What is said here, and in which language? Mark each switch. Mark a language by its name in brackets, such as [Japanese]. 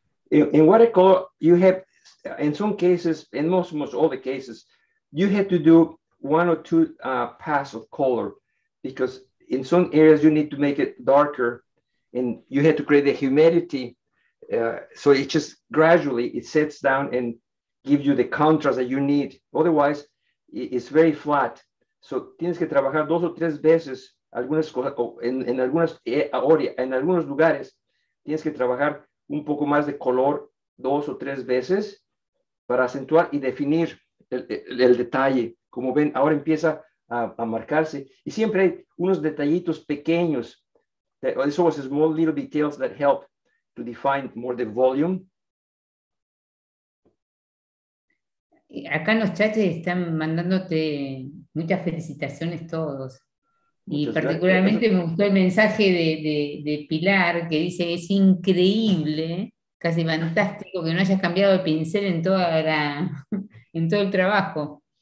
[English] In watercolor, you have, in some cases, in most all the cases, you have to do one or two passes of color, because in some areas you need to make it darker, and you have to create the humidity, so it just gradually it sets down and gives you the contrast that you need. Otherwise, it's very flat. [Spanish] So tienes que trabajar dos o tres veces algunas en algunos lugares tienes que trabajar un poco más de color dos o tres veces para acentuar y definir el detalle. Como ven, ahora empieza a marcarse. Y siempre hay unos detallitos pequeños. [English] It's always small little details that help to define more the volume. [Spanish] Acá en los chats están mandándote muchas felicitaciones todos. Y particularmente me gustó el mensaje de Pilar, que dice que es increíble, casi fantástico, que no hayas cambiado de pincel en todo el trabajo.